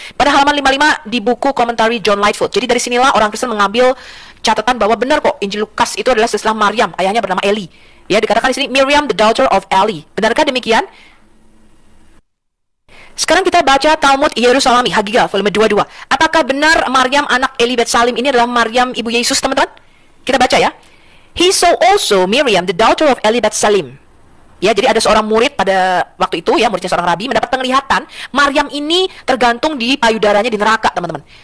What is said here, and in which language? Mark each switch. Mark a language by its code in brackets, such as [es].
[id] Pada halaman 55 di buku komentari John Lightfoot. Jadi dari sinilah orang Kristen mengambil catatan bahwa benar kok Injil Lukas itu adalah silsilah Maryam, ayahnya bernama Eli. Ya, dikatakan di sini, [en] Miriam the daughter of Eli. [id] Benarkah demikian? Sekarang kita baca Talmud Yerusalemi, Hagigah, volume 22. Apakah benar Maryam anak Eli Bet Salim ini adalah Maryam ibu Yesus, teman-teman? Kita baca ya. [en] He saw also Miriam, the daughter of Eli Bet Salim. [id] Ya, jadi ada seorang murid pada waktu itu, ya, muridnya seorang rabi, mendapat penglihatan Maryam ini tergantung di payudaranya di neraka, teman-teman.